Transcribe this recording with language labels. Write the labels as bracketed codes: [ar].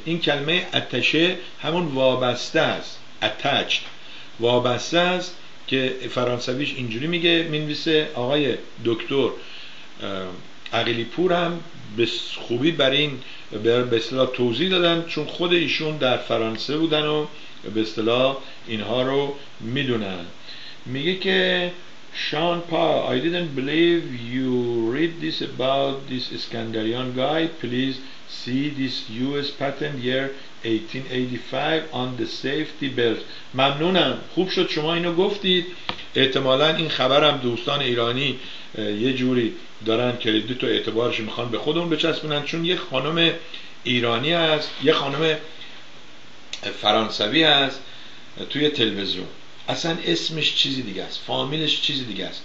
[fa] این کلمه attaché همون وابسته است، attached، وابسته است که فرانسویش اینجوری میگه، مینویسه آقای دکتر عقیلی پور هم به خوبی بر این به اصطلاح توضیح دادن، چون خود ایشون در فرانسه بودن و به اصطلاح اینها رو میدونن. میگه که [en] شان پا I didn't believe you read this about this Iskandarian guy. Please see this US patent year 1885 on the safety belt. [fa] ممنونم، خوب شد شما اینو گفتید. احتمالا این خبرم دوستان ایرانی یه جوری دارن کردیت و اعتبارش میخوان به خودمون بچسبونن، چون یه خانم ایرانی هست، یه خانم فرانسوی هست توی تلویزیون، اصلا اسمش چیزی دیگه است، فامیلش چیزی دیگه است.